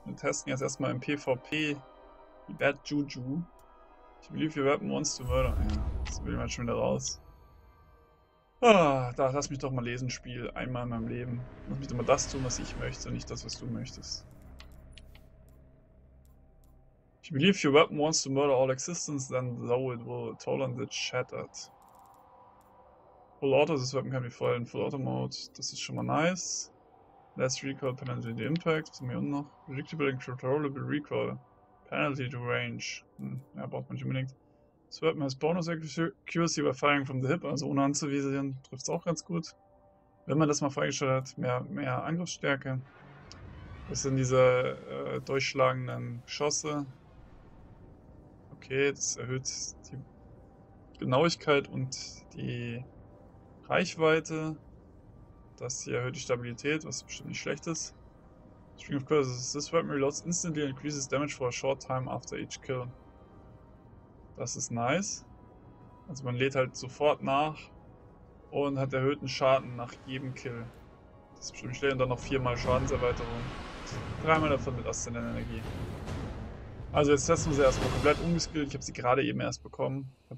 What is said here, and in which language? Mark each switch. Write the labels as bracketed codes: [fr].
[de] Wir testen jetzt erstmal im PvP die Bad Juju. Ich [en] believe you weapon wants to murder. [de] Ja, das will man schon wieder raus. Ah, da lass mich doch mal lesen, Spiel. Einmal in meinem Leben. Lass mich doch mal das tun, was ich möchte, nicht das, was du möchtest. [en] If you believe your weapon wants to murder all existence, then though it will toll on the shattered. Full Auto, this weapon can be fired in Full Auto Mode. [de] Das ist schon mal nice. [en] Less recoil penalty to impact. [de] Was haben wir hier unten noch? [en] Predictable and controllable recoil penalty to range. [de] Ja, braucht man nicht unbedingt. [en] This weapon has bonus accuracy by firing from the hip, [de] also ohne anzuvisieren. Trifft es auch ganz gut. Wenn man das mal freigeschaltet hat, mehr Angriffsstärke. Das sind diese durchschlagenden Geschosse. Okay, das erhöht die Genauigkeit und die Reichweite. Das hier erhöht die Stabilität, was bestimmt nicht schlecht ist. [en] String of curses. This weapon reloads instantly and increases damage for a short time after each kill. [de] Das ist nice. Also man lädt halt sofort nach und hat erhöhten Schaden nach jedem Kill. Das ist bestimmt schlecht. Und dann noch viermal Schadenserweiterung. Dreimal davon mit Aszendent-Energie. Also jetzt testen wir sie erstmal komplett ungeskillt. Ich habe sie gerade eben erst bekommen.